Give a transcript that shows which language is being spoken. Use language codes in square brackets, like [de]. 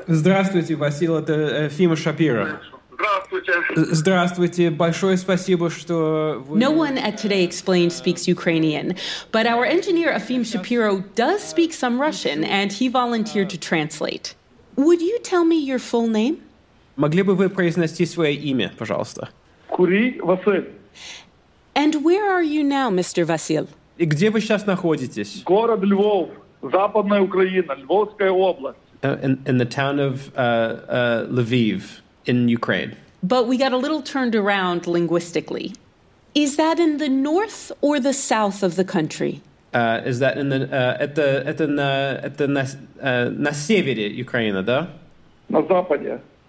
[ru] Здравствуйте, Василий, это Фима Шапира. Здравствуйте. Здравствуйте. Большое спасибо, что вы... [en] No one at Today Explained speaks Ukrainian, but our engineer Afim Shapiro does speak some Russian, and he volunteered to translate. Would you tell me your full name? [ru] Могли бы вы произнести свое имя, пожалуйста? Кури Василий. [en] And where are you now, Mr. Василий? [ru] И где вы сейчас находитесь? Город Львов, Западная Украина, Львовская область. [en] In the town of Lviv in Ukraine. But we got a little turned around linguistically. Is that in the north or the south of the country? Is that in the [ru] на севере Украины, да? На западе.